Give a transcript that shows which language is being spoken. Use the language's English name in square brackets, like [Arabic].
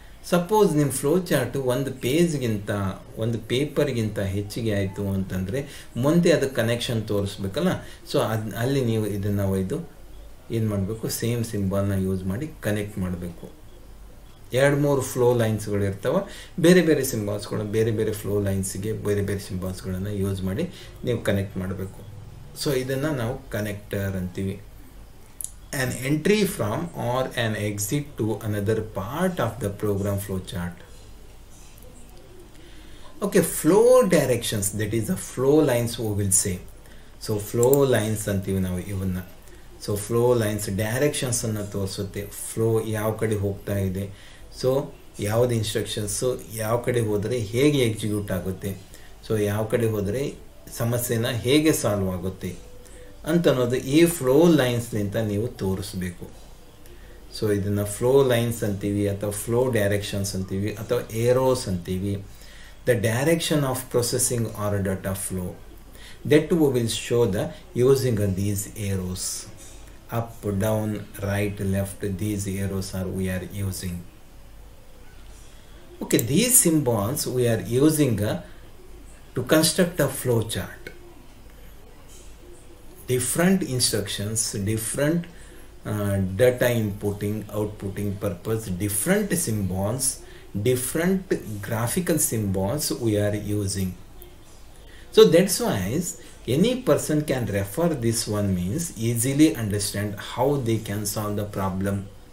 [Kannada] Suppose ನಿಮ್ಮ flow chart ಒಂದು ಪೇಜ್ಗಿಂತ ಒಂದು ಪೇಪರ್ಗಿಂತ ಹೆಚ್ಚಿಗೆ ಆಯಿತು ಅಂತಂದರೆ ಮುಂದೆ ಅದು ಕನೆಕ್ಷನ್ ತೋರಿಸ್ಬೇಕಲ್ಲ, ಸೊ ಅದು ಅಲ್ಲಿ ನೀವು ಇದನ್ನು ಒಯ್ದು ಏನು ಮಾಡಬೇಕು, ಸೇಮ್ ಸಿಂಬಲ್ನ ಯೂಸ್ ಮಾಡಿ ಕನೆಕ್ಟ್ ಮಾಡಬೇಕು. ಎರಡು ಮೂರು ಫ್ಲೋ ಲೈನ್ಸ್ಗಳು ಇರ್ತಾವೆ, ಬೇರೆ ಬೇರೆ ಸಿಂಬಲ್ಸ್ಗಳು ಬೇರೆ ಬೇರೆ ಫ್ಲೋ ಲೈನ್ಸ್ಗೆ ಬೇರೆ ಬೇರೆ ಸಿಂಬಲ್ಸ್ಗಳನ್ನು ಯೂಸ್ ಮಾಡಿ ನೀವು ಕನೆಕ್ಟ್ ಮಾಡಬೇಕು. ಸೊ ಇದನ್ನು ನಾವು ಕನೆಕ್ಟರ್ ಅಂತೀವಿ. [English] An entry from or an exit to another part of the program flow chart. Okay, flow directions, that is the flow lines we will say. [Kannada] So flow lines antivi navu ivanna. So flow lines directions anna tosutte, flow yav kade hogta ide, so yavad instructions, so yav kade hodre hege execute agutte, so yav kade hodre samasyena hege solve agutte ಅಂತ ಅನ್ನೋದು ಈ flow ಲೈನ್ಸ್ನಿಂದ ನೀವು ತೋರಿಸ್ಬೇಕು. So ಇದನ್ನು flow lines ಅಂತೀವಿ ಅಥವಾ flow directions ಅಂತೀವಿ ಅಥವಾ ಏರೋಸ್ ಅಂತೀವಿ. [English] The direction of processing or data flow that we will show the using a these arrows up down right left these arrows are we are using. Okay, these symbols we are using to construct a flow chart. Different instructions, different data inputting, outputting purpose, different symbols, different graphical symbols we are using. So that's why any person can refer this one means easily understand how they can solve the problem.